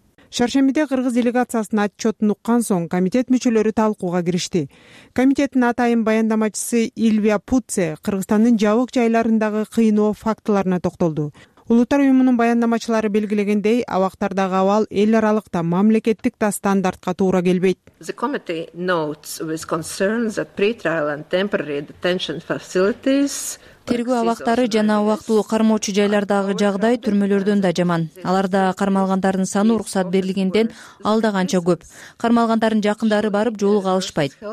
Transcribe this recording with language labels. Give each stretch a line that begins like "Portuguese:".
Kyrgyz: Шаршембиде кыргыз делегациясынын отчетун уккан соң комитет мүчөлөрү талкууга киришти. Комитеттин атайын баяндамачысы Ильвия Пуце Кыргызстандын жабык жайларындагы кыйноо фактыларына токтолду. Улуттар уюмунун баяндамачылары белгилегендей, абактардагы абал эл аралык да, мамлекеттик да стандартка туура келбейт.
English: The committee notes with concerns that pre-trial and temporary detention facilities
Kyrgyz: тергөө абактары жана убактылуу кармоочу жайлардагы жагдай түрмөлөрдөн да жаман. Аларда кармалгандардын саны уруксат берилгенден алда канча көп. Кармалгандардын жакындары барып жолу калышпайт.